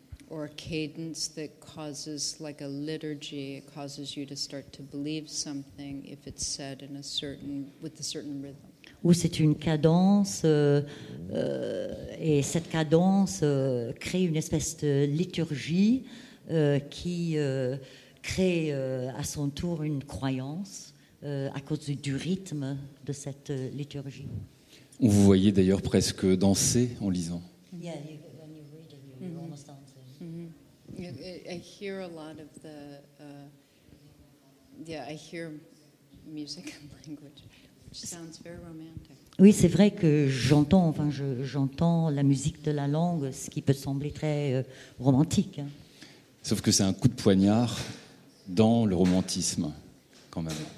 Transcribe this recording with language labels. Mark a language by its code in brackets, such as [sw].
[en] Or a cadence that causes, like a liturgy, it causes you to start to believe something if it's said in a certain, with a certain rhythm. [fr] Ou c'est une cadence, et cette cadence crée une espèce de liturgie qui crée à son tour une croyance à cause du rythme de cette liturgie. On vous voyait d'ailleurs presque danser en lisant. [en] Yeah, you, when you read it, you're mm-hmm. almost dancing. Mm-hmm. I hear a lot of the, yeah, I hear music and language. Sounds very romantic. [fr] Oui, c'est vrai que j'entends, enfin, j'entends la musique de la langue, ce qui peut sembler très romantique. Sauf que c'est un coup de poignard dans le romantisme, quand même.